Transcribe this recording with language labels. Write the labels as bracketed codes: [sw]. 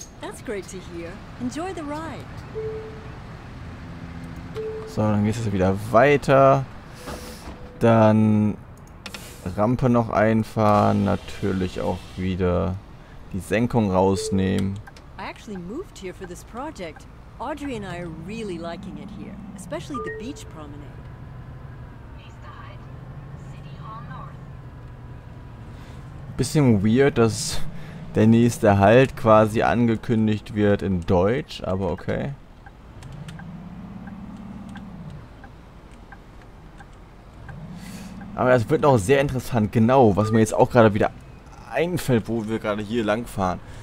[en] That's great to hear. Enjoy the ride. [de] So, dann geht es wieder weiter. Dann Rampe noch einfahren, natürlich auch wieder die Senkung rausnehmen. [en] I actually moved here for this project. Audrey and I are really liking it here, especially the beach promenade. [de] Bisschen weird, dass der nächste Halt quasi angekündigt wird in Deutsch, aber okay. Aber es wird noch sehr interessant, genau, was mir jetzt auch gerade wieder einfällt, wo wir gerade hier langfahren.